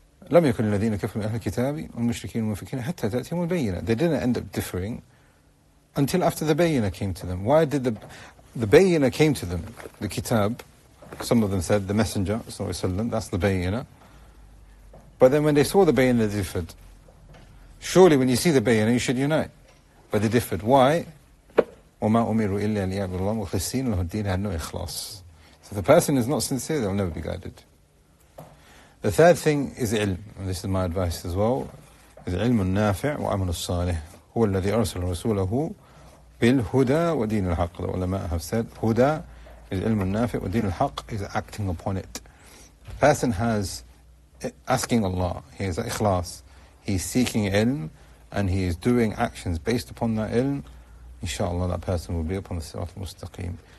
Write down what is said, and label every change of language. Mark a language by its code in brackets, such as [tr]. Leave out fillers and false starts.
[ar] لَمْ يَكُنِ الَّذِينَ كَفْرُوا مِنْ أَهْلِ الْكِتَابِ وَالْمُشْرِكِينَ وَالْمُنْفِكِينَ حَتَّى تَأْتِهِمُ الْبَيِّنَةِ [en] They didn't end up differing until after the bayyinah came to them. Why did the bayyinah came to them? The kitab, some of them said, the messenger, sallallahu alayhi wa sallam, that's the bayyinah. But then when they saw the bayyinah, they differed. Surely when you see the bayyinah, you should unite. But they differed. Why? [ar] وَمَا أُمِرُوا إِلَّا لِيَعْبُدُوا اللَّهَ مُخْلِصِينَ لَهُ الدِّينَ [en] had no ikhlas. So if the person is not sincere, they'll never be guided. The third thing is ilm, and this is my advice as well, is ilm al-nafi' wa amal al-salih. [ar] هو الذي أرسل رسوله بالهدى ودين الحق. [en] The ulama have said, huda is ilm al-nafi' wa din al-haq is acting upon it. The person has asking Allah, he has ikhlas, he's seeking ilm, and he is doing actions based upon that ilm, inshallah that person will be upon the sirat al-mustaqim.